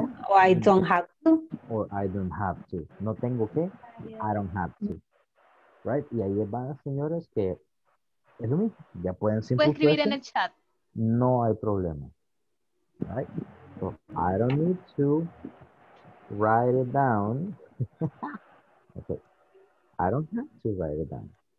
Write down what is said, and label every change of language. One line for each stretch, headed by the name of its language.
English: I don't need to, or I don't have to.
Spanish: No tengo que,
English: I don't have to. Right?
Spanish: Y ahí van, señores, que es lo mismo. Ya pueden simplemente. Puedes escribir en el chat. No hay problema. Right?
English: So, I don't need to write it down. Okay. I don't have to write it down.